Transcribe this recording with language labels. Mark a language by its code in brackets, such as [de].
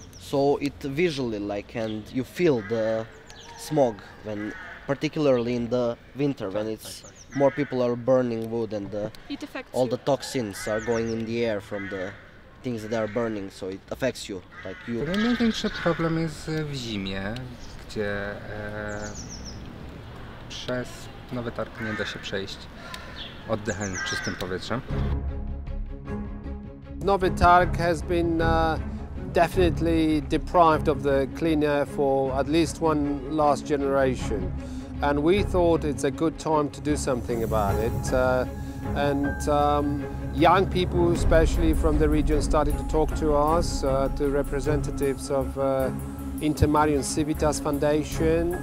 [en] So it visually like, and you feel the smog, when particularly in the winter when it's more people are burning wood and all the toxins are going in the air from the things that are burning, so it affects you, like you. [pl] The największy problem jest w zimie, gdzie przez Nowy Targ nie da się przejść oddychając czystym powietrzem. [en] Nowy Targ has been definitely deprived of the clean air for at least one last generation. And we thought it's a good time to do something about it. Young people, especially from the region, started to talk to us, to representatives of Intermarium Civitas Foundation.